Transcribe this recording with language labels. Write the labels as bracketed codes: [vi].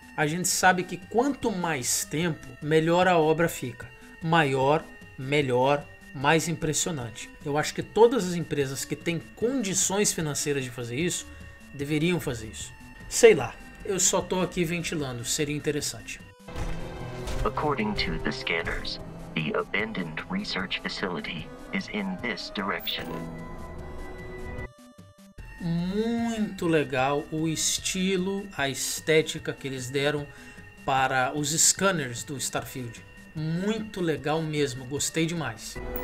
[pt] A gente sabe que quanto mais tempo, melhor a obra fica. Maior, melhor, mais impressionante. Eu acho que todas as empresas que têm condições financeiras de fazer isso, deveriam fazer isso. Sei lá, eu só tô aqui ventilando, seria interessante. [en] According to the scanners, the abandoned research facility is in this direction. [pt] muito legal o estilo, a estética que eles deram para os scanners do Starfield. Muito legal mesmo, gostei demais.